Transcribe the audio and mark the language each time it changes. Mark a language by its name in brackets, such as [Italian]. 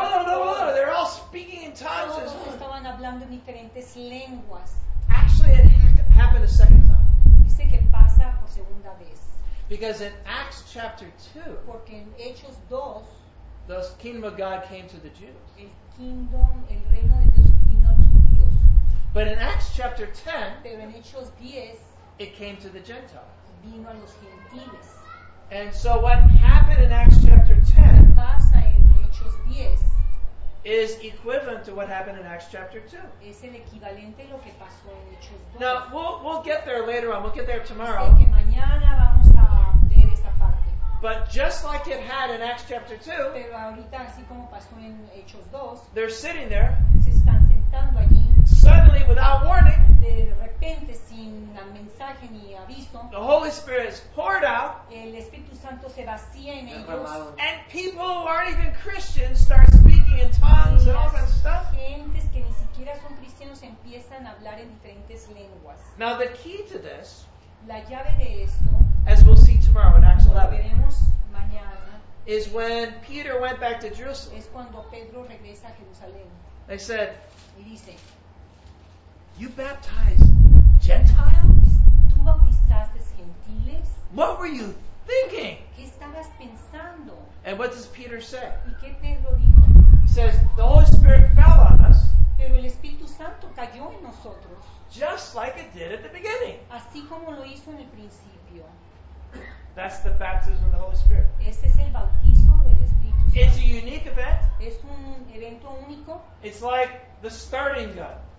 [English] They're all speaking in tongues. [Spanish] Todos estaban hablando en diferentes lenguas. [English] Actually, it happened a second time. [Spanish] Dice que pasa por segunda vez. [English] Because in Acts chapter 2, [Spanish] porque en Hechos 2, [English] the kingdom of God came to the Jews. [Spanish] El kingdom, el reino de Dios. [English] But in Acts chapter 10, [Spanish] pero en Hechos 10, [English] it came to the Gentiles. [Spanish] Vino a los gentiles. [English] And so what happened in Acts chapter 10, [Spanish] pasa en Hechos 10 [English] is equivalent to what happened in Acts chapter 2. [Spanish] Es el equivalente lo que pasó en Hechos 2. [English] Now, we'll get there later on. We'll get there tomorrow. [Spanish] Sé que mañana vamos a ver esta parte. [English] But just like it had in Acts chapter 2, [Spanish] pero ahorita, así como pasó en Hechos 2, [English] they're sitting there. [Spanish] Se están sentando allí. [English] Suddenly, without warning, [Spanish] de repente, sin mensaje ni aviso, [English] the Holy Spirit is poured out, [Spanish] el Espíritu Santo se vacía en ellos, [English] and people who aren't even Christians start speaking in tongues and all that stuff. [Spanish] Gentes que ni siquiera son cristianos empiezan a hablar en diferentes lenguas. [English] Now, the key to this, [Spanish] la llave de esto, [English] as we'll see tomorrow in Acts 11, [Spanish] veremos mañana, [English] is when Peter went back to Jerusalem. [Spanish] Es cuando Pedro regresa a Jerusalén. [English] They said, [Spanish] y dice, [English] you baptized Gentiles? [Spanish] ¿Tú bautizaste gentiles? [English] What were you thinking? [Spanish] ¿Qué estabas pensando? [English] And what does Peter say? [Spanish] ¿Y qué Pedro dijo? [English] He says, the Holy Spirit fell on us. [Spanish] Pero el Espíritu Santo cayó en nosotros. [English] Just like it did at the beginning. [Spanish] Así como lo hizo en el principio. [English] That's the baptism of the Holy Spirit. [Spanish] Este es el bautismo del Espíritu Santo. [English] It's a unique event. [Spanish] Es un evento único. [English] It's like the starting gun.